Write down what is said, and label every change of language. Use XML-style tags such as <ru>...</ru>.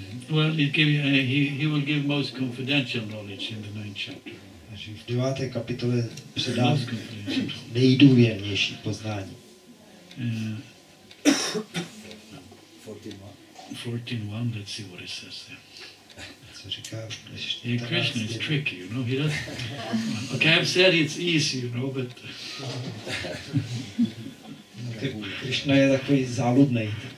<en>Well, he will give most confidential knowledge in the 9th chapter.</en> <cs>Takže v 9. kapitole předá nejdůvěrnější poznání.</cs> <en>14.1, let's see what it says there.</en> <cs>Co říká?</cs> <en>Yeah, Krishna is tricky, you know. He doesn't... Okay, I've said it's easy, you know, but...</en> <cs>Krishna je takový záludnej.</cs>